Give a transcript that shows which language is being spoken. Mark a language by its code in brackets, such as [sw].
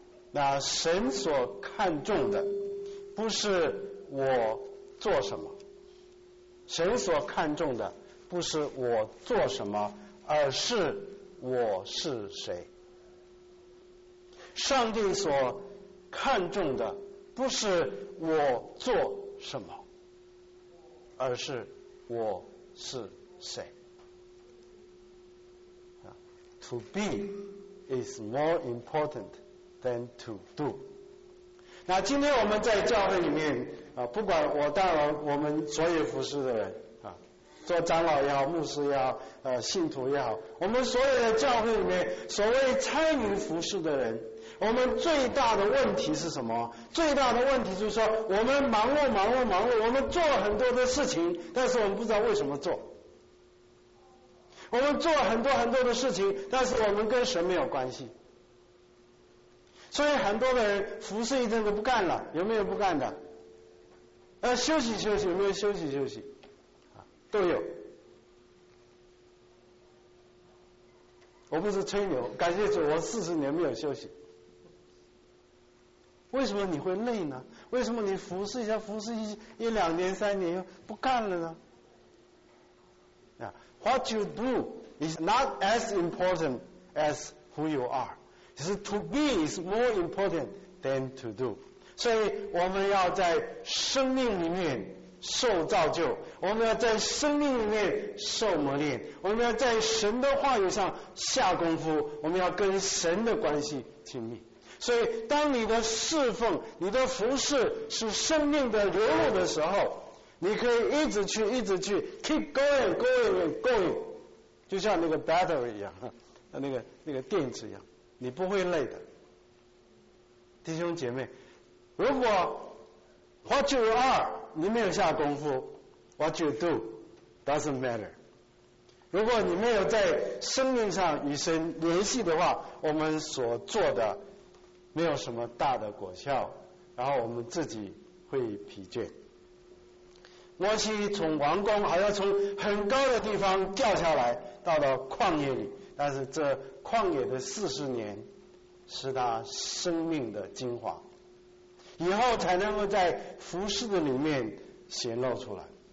[zh] 那神所看重的不是我做什么，神所看重的不是我做什么，而是我是谁。上帝所看重的不是我做什么，而是我是谁。 [en] To be is more important than to do。 [zh] 那今天我们在教会里面不管我当然我们所有服侍的人做长老也好，牧师也好，信徒也好，我们所有的教会里面所谓参与服侍的人，我们最大的问题是什么？最大的问题就是说，我们忙碌忙碌忙碌，我们做了很多的事情，但是我们不知道为什么做。我们做很多很多的事情，但是我们跟神没有关系。所以很多的人服侍一阵子不干了，有没有不干的？休息休息，有没有休息休息？都有。我不是吹牛，感谢主，我40年没有休息。为什么你会累呢？为什么你服侍一下，服侍一两年、3年又不干了呢？ [en] What you do is not as important as who you are. It's to be is more important than to do. [zh] 所以我们要在生命里面受造就，我们要在生命里面受磨练，我们要在神的话语上下功夫，我们要跟神的关系亲密。所以当你的侍奉，你的服侍是生命的流露的时候，你可以一直去，一直去 ， [en] keep going, going, going， [zh] 就像那个 battery 一样，那个电池一样，你不会累的。弟兄姐妹，如果 [en] what you are [zh] 你没有下功夫 ， [en] what you do doesn't matter。 [zh] 如果你没有在生命上与神联系的话，我们所做的没有什么大的果效，然后我们自己会疲倦。摩西从王宫好像从很高的地方掉下来，到了旷野里，但是这旷野的40年是他生命的精华，以后才能够在服事的里面显露出来。